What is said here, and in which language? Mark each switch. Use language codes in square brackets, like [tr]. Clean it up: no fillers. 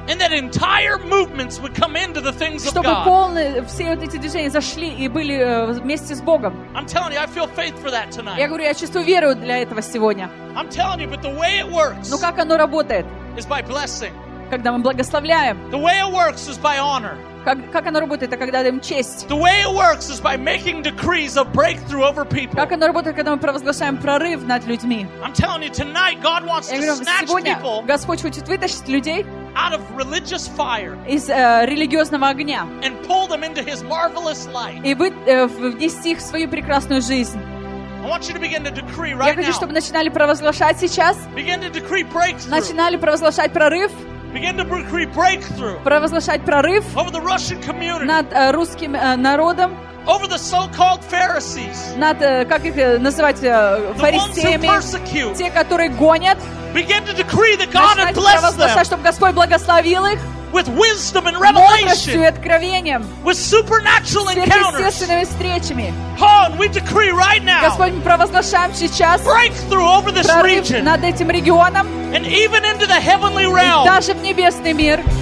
[en] And that entire movements would come into the things of God. [ru] Чтобы полные все вот эти движения зашли и были вместе с Богом. [en] I'm telling you, I feel faith for that tonight. [ru] Я говорю, я чувствую веру для этого сегодня. [en] I'm telling you, but the way it works. [ru] Но как оно работает? [en] Is by blessing. [ru] Когда мы благословляем. [en] The way it works is by honor. [ru] Как оно работает, это когда даем честь. [en] The way it works is by making decrees of breakthrough over people. [ru] Как оно работает, когда мы провозглашаем прорыв над людьми? [en] I'm telling you, tonight God wants [ru] Я говорю, [en] to snatch [ru] сегодня [en] people. [ru] Господь хочет вытащить людей. [en] Out of religious fire, [ru] из религиозного огня, [en] and pull them into His marvelous light. [ru] И внести их в свою прекрасную жизнь. [en] I want you to begin to decree right [ru] Я хочу, чтобы начинали провозглашать сейчас. [en] Begin to decree breakthrough. [ru] Начинали провозглашать прорыв. [en] Begin to create breakthrough. [ru] Провозглашать прорыв. [en] Over the Russian community. [ru] Над русским народом. [en] Over the so-called Pharisees. [ru] Над как их называть фарисеями. Те, которые гонят. [en] Begin to decree that God had blessed them. [ru] Чтобы Господь благословил их. [en] With wisdom and revelation. With supernatural encounters. And we decree right now. [ru] Господь, мы провозглашаем сейчас. [en] Breakthrough over this region. [ru] Над этим регионом. [en] And even into the heavenly realm. И даже в небесный мир.